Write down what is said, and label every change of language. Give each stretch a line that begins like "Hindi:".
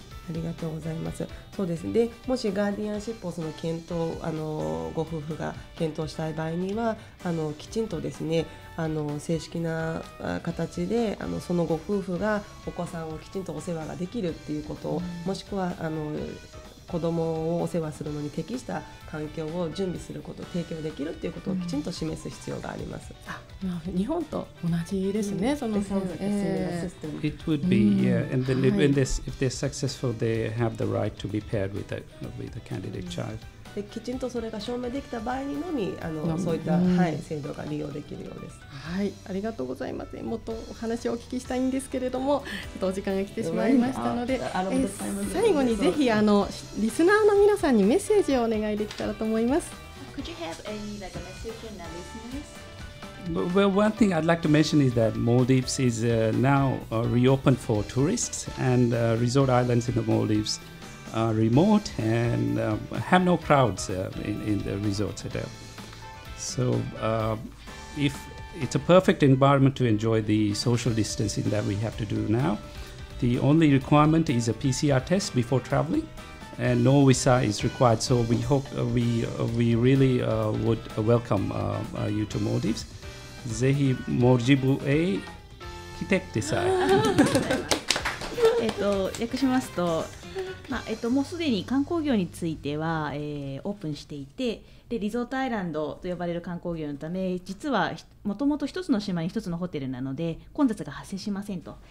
Japanese: ありがとうございます。そうですね。で、もしガーディアンシップをその検討、あのご夫婦が検討したい場合には、あのきちんとですね、あの正式な形であのそのご夫婦がお子さんをきちんとお世話ができるっていうことを、もしくはあの子どもをお世話するのに適した環境を準備すること、提供できるということをきちんと示す必要があります。あ、日本と同じですね。その生活支援システム。
English: It would be, yeah, and then when this, if they're successful, they have the right to be paired with the candidate child.
Japanese: できちんとそれが証明できた場合にのみあの、うん、そういった、はい、制度が利用できるようです、うん、はい、ありがとうございます。もっとお話をお聞きしたいんですけれども、ちょっとお時間が来てしまいましたので、最後にぜひあのリスナーの皆さんにメッセージをお願いできたらと思います。
English: Could you have any like a message in our listeners? Well, one thing I'd like to mention is that Maldives is now reopened for tourists, and resort islands in the Maldives are remote and have no crowds in the resorts at all. So if it's a perfect environment to enjoy the social distancing that we have to do now, the only requirement is a PCR test before traveling, and no visa is required. So we hope we really would welcome you to Maldives.
Japanese: ぜひモルジブへ来てください。訳しますと、まあもうすでに観光業については、オープンしていて、でリゾートアイランドと呼ばれる観光業のため、実はもともと一つの島に一つのホテルなので混雑が発生しませんと。